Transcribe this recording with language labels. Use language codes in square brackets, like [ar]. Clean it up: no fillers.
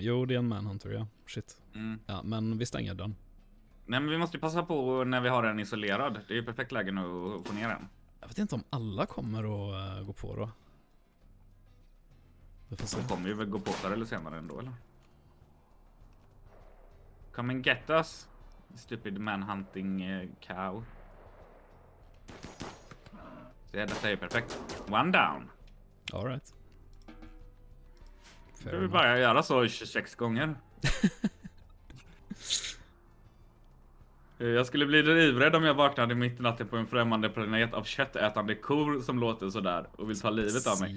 [sv] Jo, det är en manhunter, ja. Shit. Mm. Ja, men vi stänger den. Nej, men vi måste ju passa på när vi har den isolerad. Det är ju perfekt läge att få ner den. Jag vet inte om alla kommer att gå på då. Vi får se. De kommer ju väl gå på där eller senare ändå, eller? [en] Come and get us, stupid manhunting cow. [sv] Så ja, detta är ju perfekt. [en] One down. All right. [sv] Fair. Ska vi bara göra så 26 gånger? Jag skulle bli livrädd om jag vaknade mitt i natten på en främmande planet av köttätande kor som låter så där och vill ta livet av mig.